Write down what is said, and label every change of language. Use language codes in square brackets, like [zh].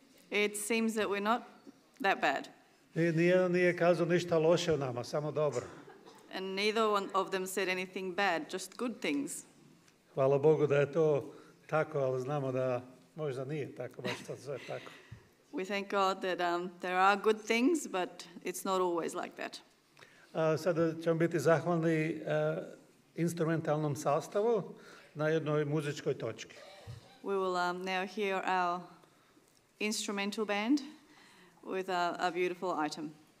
[en] It seems that we're not that bad. [sr] Nije kazao ništa loše o nama, samo dobro. [en] And neither one of them said anything bad, just good things. [sr] Hvala Bogu da je to tako, ali znamo da možda nije tako, baš to sve tako. [en] We thank God that there are good things, but it's not always like that. [sr] Sada ćemo biti zahvalni instrumentalnom sastavu na jednoj muzičkoj točki. [en] We will now hear our instrumental band with a beautiful item.